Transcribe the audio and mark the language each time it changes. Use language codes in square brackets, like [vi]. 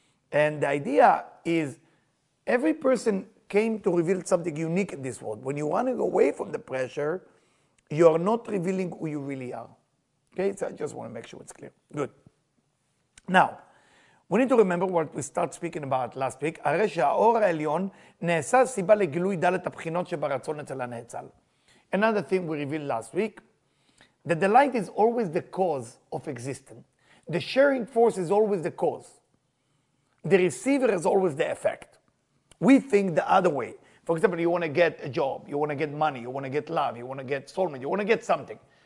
[en] And the idea is every person came to reveal something unique in this world. When you want to go away from the pressure, you are not revealing who you really are. Okay, so I just want to make sure it's clear. Good. Now, we need to remember what we started speaking about last week. [he] הרי שהאור העליון נעשה סיבה לגילוי דלת הבחינות שברצון אצל הנאצל. [en] Another thing we revealed last week, that the light is always the cause of existence. The sharing force is always the cause. The receiver is always the effect. We think the other way. For example, you want to get a job, you want to get money, you want to get love, you want to get soulmate, you want to get something.